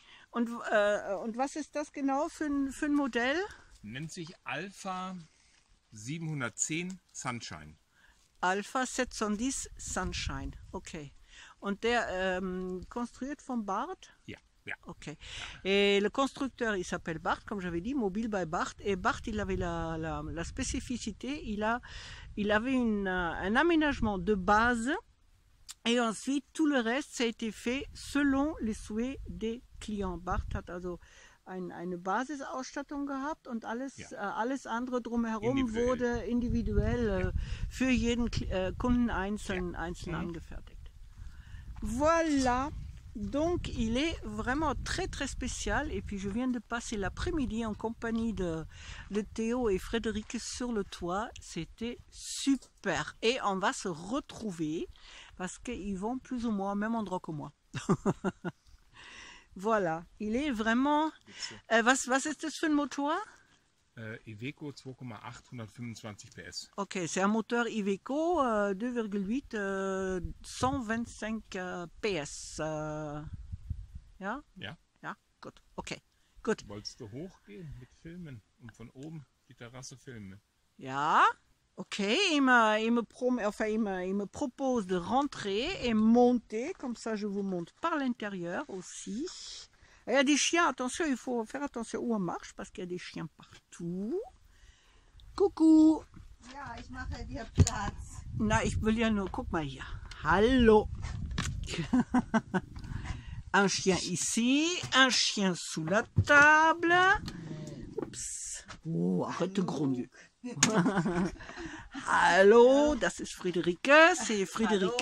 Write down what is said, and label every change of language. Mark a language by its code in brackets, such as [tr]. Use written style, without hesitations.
[de] Und was ist das genau für ein Modell? Nennt sich Alpha 710 Sunshine. Alpha 710 Sunshine. Okay. Und der konstruiert von Bart. Okay. [fr] Et le constructeur, il s'appelle Bart, comme j'avais dit, Mobile by Bart. Et Bart, il avait la spécificité, il avait un aménagement de base. Et ensuite, tout le reste, ça a été fait selon les souhaits des clients. Bart a donc une [de] Basisausstattung gehabt. [fr] Et [de] alles andere drumherum wurde individuell für jeden Kunden einzeln angefertigt. [fr] Voilà, donc il est vraiment très très spécial. Et puis je viens de passer l'après-midi en compagnie de Théo et Frédéric sur le toit. C'était super. Et on va se retrouver parce qu'ils vont plus ou moins au même endroit que moi. Voilà, il est vraiment. [de] Was ist das für ein Motor? Iveco 2,825 PS. [fr] Ok, c'est un moteur Iveco 2,8 125 PS. [de] Ja? Ja. Ja, gut. Ok, gut. Wolltest du hochgehen mit Filmen und von oben die Terrasse filmen? Ja? [fr] Ok, il me propose de rentrer et monter, comme ça je vous montre par l'intérieur aussi. Il y a des chiens, attention, il faut faire attention où on marche parce qu'il y a des chiens partout. Coucou! [de] Ja, ich mache dir Platz. Na, ich will ja nur, guck mal hier. Hallo! [fr] Un chien ici, un chien sous la table. Oups! Oh, arrête de grogner. [de] Hallo, das ist Friederike, [fr] c'est Friederike,